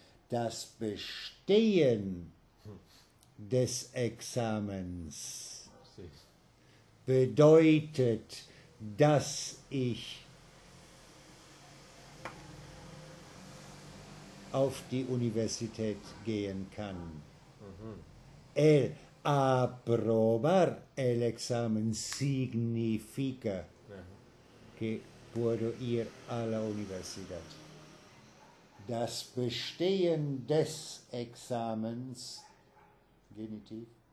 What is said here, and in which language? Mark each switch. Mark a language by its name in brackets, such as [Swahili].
[German] Das Bestehen des Examens bedeutet, dass ich auf die Universität gehen kann. [Spanish] El aprobar el examen significa que puedo ir a la universidad. [German] Das Bestehen des Examens, Genitiv,